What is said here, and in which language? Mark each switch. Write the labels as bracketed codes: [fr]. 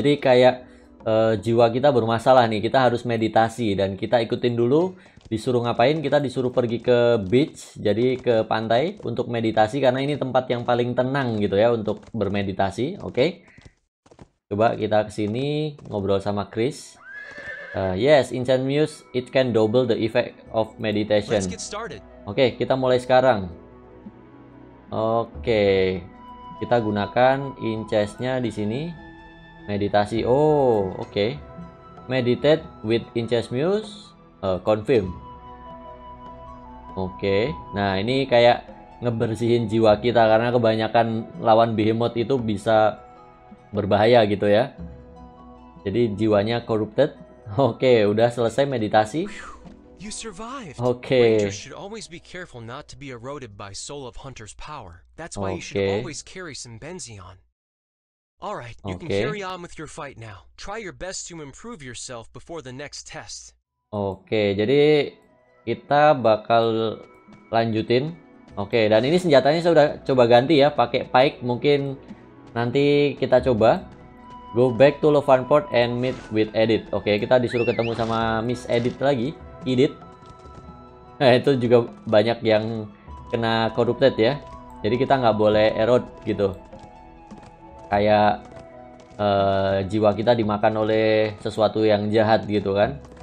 [id] Jadi kayak jiwa kita bermasalah nih. Kita harus meditasi dan kita ikutin dulu. Disuruh ngapain? Kita disuruh pergi ke beach, jadi ke pantai untuk meditasi. Karena ini tempat yang paling tenang gitu ya untuk bermeditasi. Oke, coba kita kesini ngobrol sama Chris. [en] Yes, incense muse, it can double the effect of meditation. [id] Oke, kita mulai sekarang. Oke, kita gunakan incense-nya di sini. Meditasi. [en] Oh, oke. Meditate with incense muse, confirm. [id] Oke, nah ini kayak ngebersihin jiwa kita karena kebanyakan lawan behemoth itu bisa berbahaya gitu ya. Jadi jiwanya corrupted. Oke, udah selesai meditasi. [en] You survived. Okay. Rangers should always be careful not to be eroded by Soul of Hunter's power. That's why you should always carry some benzion. All right, you can carry on with your fight now. Try your best to improve yourself before the next test. [id] Okay, jadi kita bakal lanjutin. Okay, dan ini senjatanya saya udah coba ganti ya, pakai pike. Mungkin nanti kita coba. [en] Go back to Lovanport and meet with Edith. [id] Oke, kita disuruh ketemu sama Miss Edith lagi. Edith. Nah, itu juga banyak yang kena corrupted ya. Jadi kita nggak boleh erode gitu. Kayak jiwa kita dimakan oleh sesuatu yang jahat gitu kan.